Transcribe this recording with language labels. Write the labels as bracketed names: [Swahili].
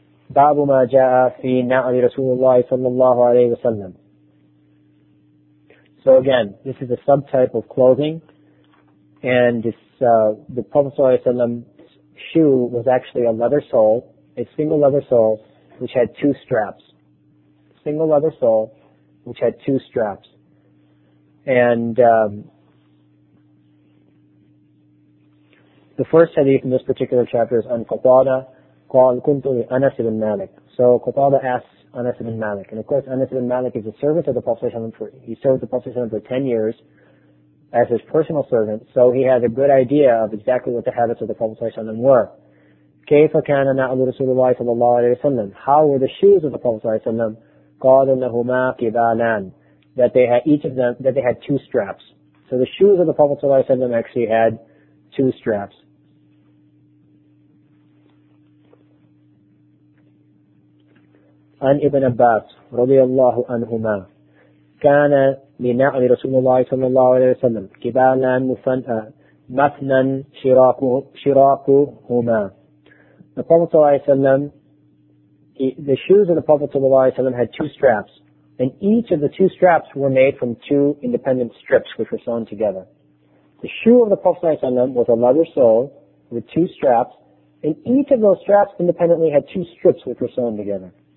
[Arabic] باب ما جاء في نعل رسول الله صلى الله عليه وسلم. [English] So again, this is a subtype of clothing, and this the Prophet صلى الله عليه وسلم's shoe was actually a leather sole, a single leather sole which had two straps. Single leather sole which had two straps. And the first hadith in this particular chapter is on Qatada, [Arabic] قال كنت لأنس بن مالك. [English] So Qatada asks Anas ibn Malik. And of course, Anas ibn Malik is a servant of the Prophet ﷺ. He served the Prophet ﷺ for 10 years as his personal servant, so he has a good idea of exactly what the habits of the Prophet ﷺ were. [Arabic] كيف كان نعل رسول الله صلى الله عليه وسلم? [English] How were the shoes of the Prophet ﷺ? [Arabic] قال لهما قبالان. [English] That they had two straps. So the shoes of the Prophet ﷺ actually had two straps. [Arabic] عن ابن عباس رضي الله عنهما كان لنعل رسول الله صلى الله عليه وسلم قبالا مثنى شراكهما. [English] The Prophet صلى الله عليه وسلم, the shoes of the Prophet صلى الله عليه وسلم had two straps, and each of the two straps were made from two independent strips which were sewn together. The shoe of the Prophet صلى الله عليه وسلم was a leather sole with two straps, and each of those straps independently had two strips which were sewn together.